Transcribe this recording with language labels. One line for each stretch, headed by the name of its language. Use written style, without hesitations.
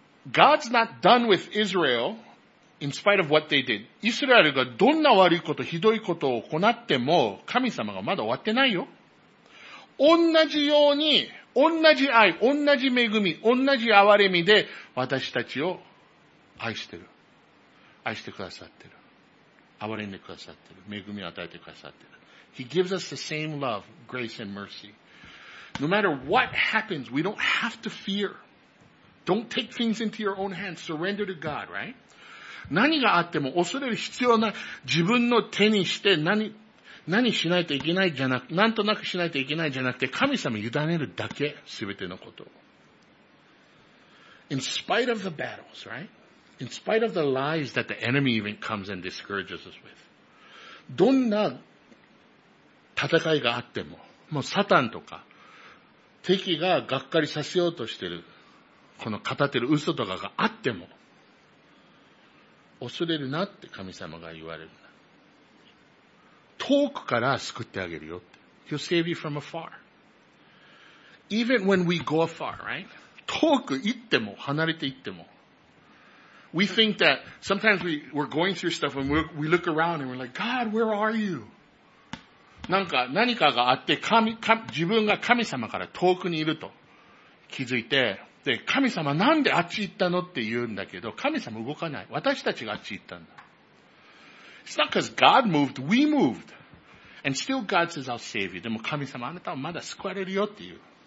Japanese: God's not done with Israel. In spite of what they did, イスラエルがどんな悪いこと、ひどいことを行っても、神様がまだ終わってないよ。同じように、同じ愛、同じ恵み、同じ憐れみで、私たちを愛してる。愛してくださってる。憐れんでくださってる。恵みを与えてくださってる。
English: He gives us the same love, grace and mercy. No matter what happens, we don't have to fear. Don't take things into your own hands. Surrender to God, right?
Japanese: 何があっても恐れる必要な自分の手にして何しないといけないじゃなく、なんとなくしないといけないじゃなくて、神様に委ねるだけ、すべてのことを。
English: In spite of the battles, right? In spite of the lies that the enemy even comes and discourages us with.
Japanese: どんな戦いがあっても、もうサタンとか、敵ががっかりさせようとしてる、この語ってる嘘とかがあっても、恐れるなって神様が言われる。遠くから救ってあげるよって。 He'll save you from afar.
English: Even when we go far, right?
Japanese: 遠く行っても、離れて行っても。
English: We think that sometimes we're going through stuff and we look around and we're like, God, where are you?
Japanese: なんか何かがあって自分が神様から遠くにいると気づいて、で、神様なんであっち行ったのって言うんだけど、神様動かない。私たちがあっち行ったんだ。
English: It's not because God moved, we moved. And still God says, I'll save you. でも神様あなたはまだ救われるよっていう。